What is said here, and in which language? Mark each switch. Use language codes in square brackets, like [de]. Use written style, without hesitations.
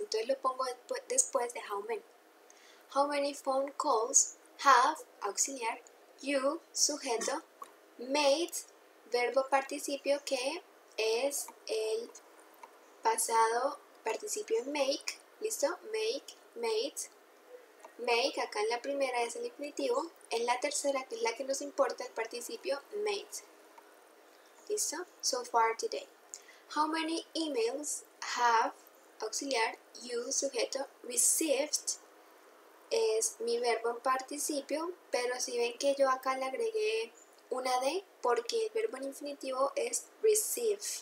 [es] Entonces lo pongo después de how many. [en] How many phone calls have, [es] auxiliar, you, sujeto, made, verbo participio que es el pasado participio make, ¿listo? [en] Make, made. [es] Make, acá en la primera es el infinitivo. En la tercera, que es la que nos importa, el participio made. ¿Listo? [en] So far today. How many emails have, auxiliar, you, sujeto, received? [es] Es mi verbo en participio, pero si ven que yo acá le agregué una D, porque el verbo en infinitivo es receive.